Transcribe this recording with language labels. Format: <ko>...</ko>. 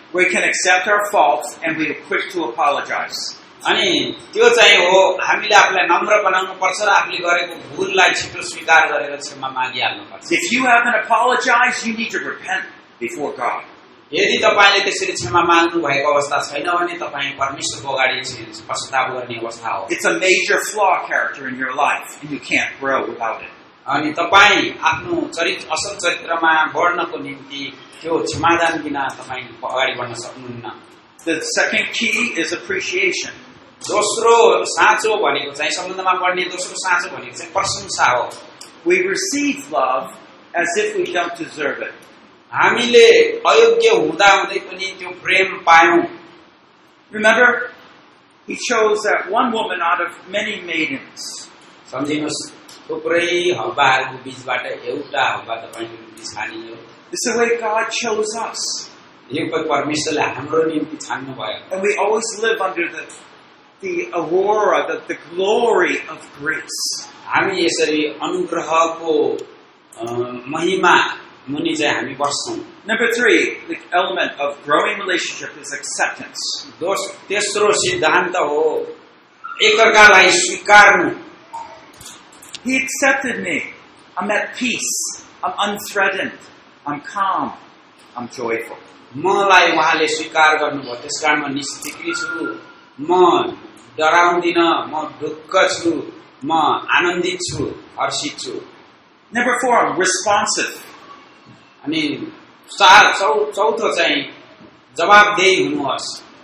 <en>we can accept our faults and we're quick to apologize.</en> <ne>अनि त्यो चाहिँ हो, हामीले आफूलाई नम्र बनाउनु पर्छ र आफूले गरेको भूललाई छिटो स्वीकार गरेर क्षमा मागिहाल्नु पर्छ.</ne> <en>If you haven't apologized, you need to repent before God.</en> <ne>यदि तपाईँले त्यसरी क्षमा माग्नु भएको अवस्था छैन भने तपाईँ परमेश्वरको अगाडि पश्चाताप गर्ने अवस्था हो.</ne> <en>It's a major flaw character in your life and you can't grow without it.</en> <ne>अनि तपाईँ आफ्नो चरित्र असल चरित्रमा बढ्नको निम्ति त्यो क्षमादान बिना तपाईँ अगाडि बढ्न सक्नुहुन्न.</ne> <en>The second key is appreciation.</en> <ne>दोस्रो साँचो भनेको चाहिँ सम्बन्धमा बढ्ने दोस्रो साँचो भनेको चाहिँ प्रशंसा हो.</ne> <en>We receive love as if we don't deserve it.</en> <ne>हामीले अयोग्य हुँदा हुँदै पनि त्यो प्रेम पायौँ.</ne> <en>Remember, he chose that one woman out of many maidens.</en> <ne>सम्झिनुहोस्, थुप्रै हब्बाहरूको बिचबाट एउटा हब्बा तपाईँको निम्ति छानियो.</ne> <en>This is why God chose us.</en> <ne>यो पनि परमेश्वरले हाम्रो निम्ति छान्नु भयो.</ne> <en>And we always live under the aurora, the glory of grace.</en> <ne>हामी यसरी अनुग्रहको महिमा मुनि चाहिँ हामी बस्छौँ.</ne> <en>Number three, the element of growing relationship is acceptance.</en> <ne>तेस्रो सिद्धान्त हो एकअर्कालाई स्वीकार्नु.</ne> <en>He accepted me. I'm at peace. I'm unthreatened. I'm calm. I'm joyful.</en> <ne>मलाई उहाँले स्वीकार गर्नुभयो, त्यस कारण म निश्चिन्त छु, म डराउँदिन, म दुःख छु, म आनन्दित छु, हर्षित छु.</ne> <en>Number four, I'm responsive.</en> <ne>अनि चार चौथो चाहिँ जवाबदेही हुनुहोस्.</ne>